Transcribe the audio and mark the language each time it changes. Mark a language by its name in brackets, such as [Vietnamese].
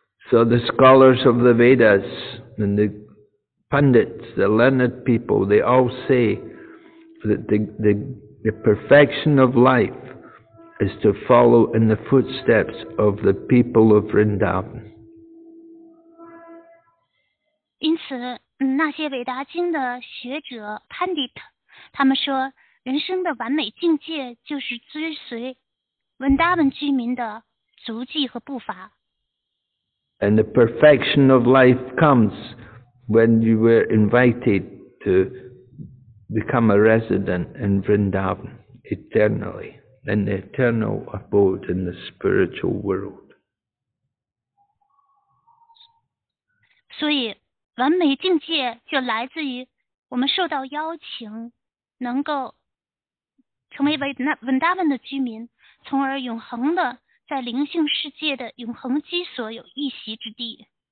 [English] So the scholars of the Vedas and the pundits, the learned people, they all say that the perfection of life is to follow in the footsteps of the people of Vrindavan. [Chinese] 因此，那些伟大经的学者 pundit， 他们说，人生的完美境界就是追随文达文居民的足迹和步伐。 [English] And the perfection of life comes when you were invited to become a resident in Vrindavan eternally, in the eternal abode in the spiritual world. [Chinese] 所以，完美境界就来自于我们受到邀请，能够成为文达文的居民，从而永恒的在灵性世界的永恒居所有一席之地。